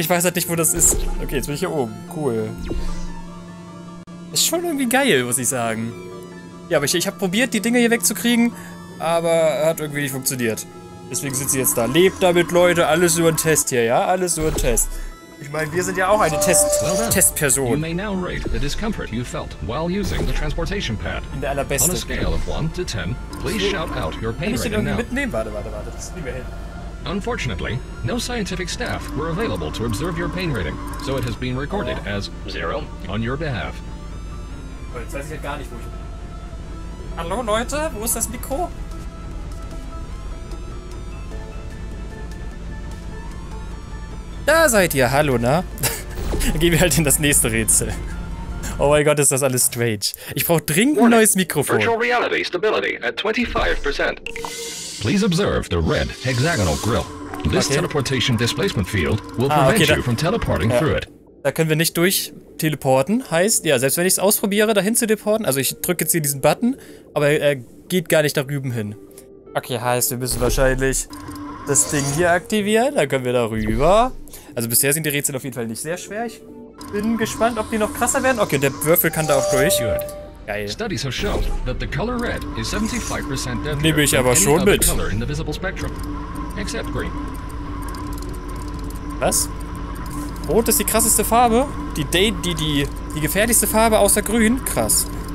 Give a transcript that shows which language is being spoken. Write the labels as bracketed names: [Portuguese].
[German] Ich weiß halt nicht, wo das ist. Okay, jetzt bin ich hier oben. Cool. Ist schon irgendwie geil, muss ich sagen. Ja, aber ich habe probiert, die Dinge hier wegzukriegen, aber hat irgendwie nicht funktioniert. Deswegen sitzt sie jetzt da. Lebt damit, Leute. Alles nur ein Test hier, ja? Alles nur ein Test. Ich meine, wir sind ja auch eine Testperson. [English] You may now rate the discomfort you felt while using the transportation pad. [German] In der allerbesten. [English] On a scale of 1 to 10, please shout out your pain rating now. [German] Kann ich den irgendwie mitnehmen? Warte. Das ist nicht mehr hin. [English] Unfortunately, no scientific staff were available to observe your pain rating, so it has been recorded as 0 on your behalf. [German] Jetzt weiß ich halt gar nicht, wo ich bin. Hallo, Leute? Wo ist das Mikro? Da seid ihr, hallo, na? Dann gehen wir halt in das nächste Rätsel. Oh mein Gott, ist das alles strange. Ich brauche dringend ein neues Mikrofon. [English] Virtual reality stability at 25%. Please observe the red hexagonal grill. This teleportation displacement field will prevent you from teleporting through it. [German] Da können wir nicht durch teleporten. Heißt, ja, selbst wenn ich es ausprobiere, dahin zu teleporten, also ich drücke jetzt hier diesen Button, aber er geht gar nicht da drüben hin. Okay, heißt, wir müssen wahrscheinlich das Ding hier aktivieren, dann können wir da rüber. Also bisher sind die Rätsel auf jeden Fall nicht sehr schwer. Ich bin gespannt, ob die noch krasser werden. Okay, der Würfel kann da auch durch. Geil. [English] Studies have shown that the color red is 75% deadlier. [German] Nehme ich aber schon mit. [English] Color in the visible spectrum, except green. [German] Was? Rot ist die krasseste Farbe? Die gefährlichste Farbe außer grün? Krass.